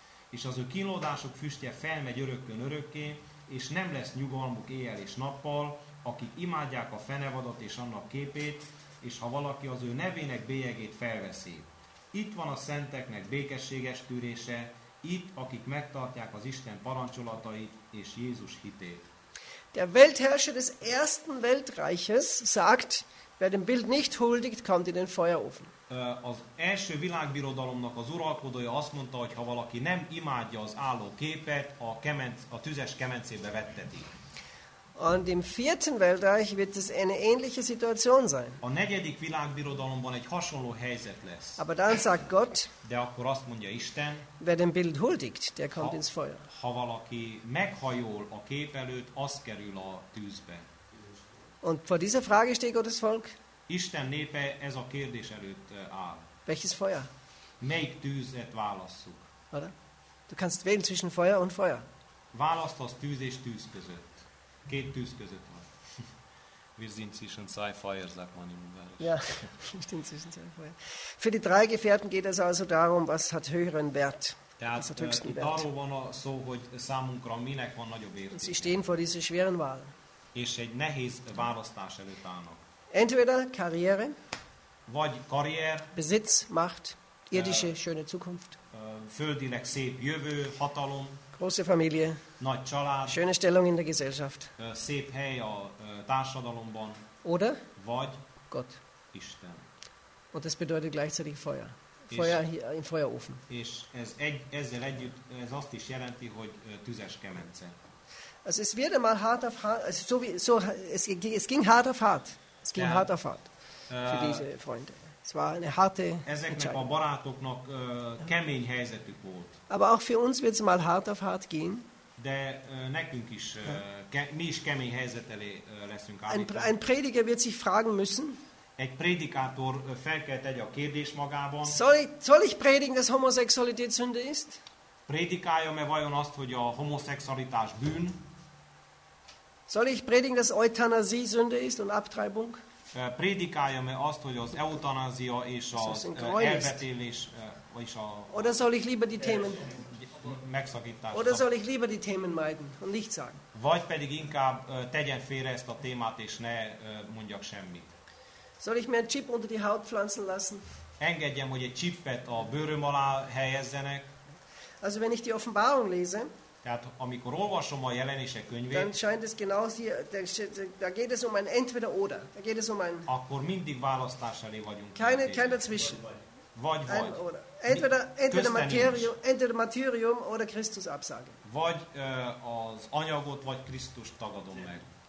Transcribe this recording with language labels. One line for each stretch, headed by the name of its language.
Hungarian: És az ő kínlódások füstje felmegy örökkön örökké, és nem lesz nyugalmuk éjjel és nappal, akik imádják a fenevadot és annak képét, és ha valaki az ő nevének bélyegét felveszi. Itt van a szenteknek békességes tűrése, itt, akik megtartják az Isten parancsolatait és Jézus hitét.
German: Der Weltherrscher des ersten Weltreiches sagt, wer dem Bild nicht huldigt, kommt in den Feuerofen.
Hungarian: Az első világbirodalomnak az uralkodója azt mondta, hogy ha valaki nem imádja az álló képet, a tüzes kemencébe vetteti.
German: Und im vierten Weltreich wird es eine ähnliche Situation sein.
Hungarian: A negyedik világbirodalomban egy hasonló helyzet lesz.
German: Aber dann sagt Gott,
Hungarian: de akkor azt mondja Isten,
German: wer dem Bild huldigt, der kommt ins Feuer.
Hungarian: Ha valaki meghajol a kép előtt, az kerül a tűzbe.
German: Und vor dieser Frage steht Gottes Volk?
Hungarian: Isten népe ez a kérdés előtt áll.
German: Welches Feuer?
Hungarian: Melyik tűzet válasszuk?
German: Oder? Du kannst wählen zwischen Feuer und Feuer.
Hungarian: Választasz tűz és tűz között. Két tűz között van.
German: Wir sind zwischen zwei Feuer, sagt man im Ungarisch. Ja, wir sind zwischen zwei Feuer. Für die drei Gefährten geht es also darum, was hat höheren Wert. Tehát, ist höchsten Wert.
Hungarian: Arról van a szó, hogy számunkra minek van nagyobb értéke.
German: Sie stehen vor dieser schweren Wahl.
Hungarian: És egy nehéz választás előtt állnak.
German: Entweder Karriere,
Hungarian: vagy karrier,
German: Besitz, Macht, irdische schöne Zukunft,
Hungarian: földileg szép jövő, hatalom,
German: große Familie,
Hungarian: nagy család,
German: schöne Stellung in der Gesellschaft,
Hungarian: szép hely a társadalomban,
German: oder,
Hungarian: vagy
German: Gott,
Hungarian: Isten.
German: Und das bedeutet gleichzeitig Feuer. Feuer hier im Feuerofen.
Hungarian: És ez egy, ezzel együtt ez azt is jelenti, hogy tüzes kemence.
German: Also es wird einmal hart auf hart, also so wie so es, es ging hart auf hart. Es ging hart auf hart. Für diese Freunde. Es war eine harte
Hungarian: Ezeknek a barátoknak kemény helyzetük volt.
German: Aber auch für uns wird es mal hart auf hart gehen.
Hungarian: De nekünk is mi is kemény helyzet elé leszünk állítva.
German: Ein Prediger wird sich fragen müssen.
Hungarian: Egy prédikátor fel kell tegye a kérdés magában.
German: Soll ich predigen, dass Homosexualität Sünde ist?
Hungarian: Prédikáljam-e vajon azt, hogy a homoszexualitás bűn?
German: Soll ich predigen, dass Euthanasie Sünde ist und Abtreibung?
Hungarian: Prédikáljam-e azt, hogy az eutanázia és az elvetélés és a
German: Oder soll ich lieber die Themen
Hungarian: megszakítás.
German: Oder soll ich lieber die Themen meiden und nichts sagen?
Hungarian: Vagy pedig inkább tegyen félre ezt a témát és ne mondjak semmit.
German: Soll ich mir einen Chip unter die Haut pflanzen lassen?
Hungarian: Engedjem, hogy egy chipet a bőröm alá helyezzenek.
German: Also wenn ich die Offenbarung lese,
Hungarian: tehát amikor olvasom a jelenések könyvét,
German: dann scheint es genau hier, da geht es um ein entweder oder. Da geht es um ein.
Hungarian: Akkor mindig választás elé vagyunk.
German: Kein dazwischen.
Hungarian: Vagy.
German: Entweder Martyrium oder Christus Absage.
Hungarian: Vagy az anyagot, vagy Krisztus tagadom meg.